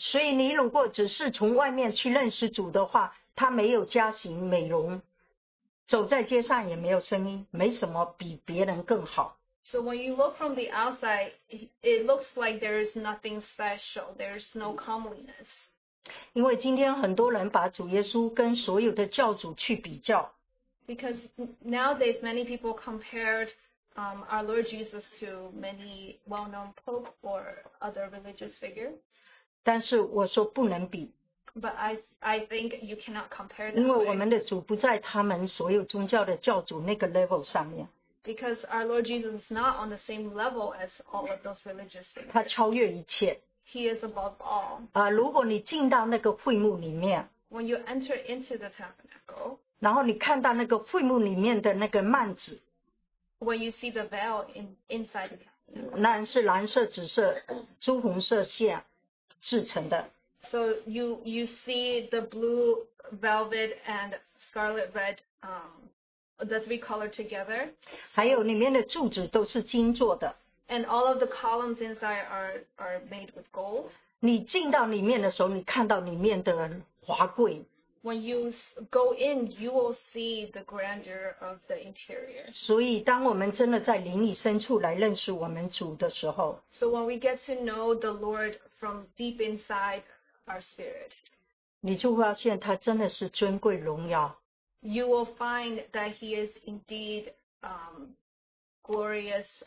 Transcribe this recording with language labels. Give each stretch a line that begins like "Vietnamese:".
Chinese: 所以你如果只是从外面去认识主的话，他没有加行美容。走在街上也没有声音，没什么比别人更好。
English: So when you look from the outside, it looks like there is nothing special. There is no comeliness.
Chinese: 因为今天很多人把主耶稣跟所有的教主去比较。
English: Because nowadays many people compared our Lord Jesus to many well-known pope or other religious figure.
Chinese: 但是我说不能比。
English: But I think you cannot compare them.
Chinese: 因为我们的主不在他们所有宗教的教主那个 level 上面。
English: Because our Lord Jesus is not on the same level as all of those religious figures.
Chinese: 他超越一切。
English: He is above all.
Chinese: 如果你进到那个会幕里面。
English: When you enter into the tabernacle.
Chinese: 然后你看到那个会幕里面的那个幔子。
English: When you see the veil inside the tabernacle.
Chinese: 那是蓝色、紫色、朱红色线制成的。
English: So you see the blue velvet and scarlet red, the three colors together.
Chinese: 还有里面的柱子都是金做的。
English: And all of the columns inside are made with gold.
Chinese: 你进到里面的时候，你看到里面的华贵。
English: When you go in, you will see the grandeur of the interior.
Chinese: 所以当我们真的在灵里深处来认识我们主的时候。
English: So when we get to know the Lord from deep inside, our spirit.
Chinese: 你就发现他真的是尊贵荣耀。
English: You will find that he is indeed glorious.